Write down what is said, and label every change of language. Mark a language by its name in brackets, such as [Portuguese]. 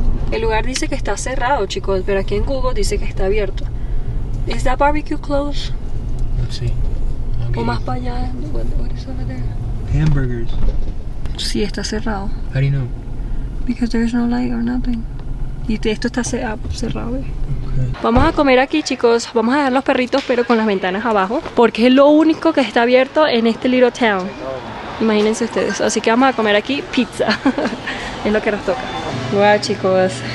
[Spanish] El lugar dice que está cerrado, chicos, pero aquí en Google dice que está abierto. [English] Is that barbecue closed? Let's see. [Spanish] O más para allá. [English] What is over there? Hamburgers. [Spanish] Sí, está cerrado. [English] How do you know? Because there's no light or nothing. [Spanish] Y esto está cerrado, ¿eh? Okay. Vamos a comer aquí, chicos. Vamos a dejar los perritos, pero con las ventanas abajo. Porque es lo único que está abierto en este [English] little town. [Spanish] Imagínense ustedes. Así que vamos a comer aquí pizza. Es lo que nos toca. Wow, chicos.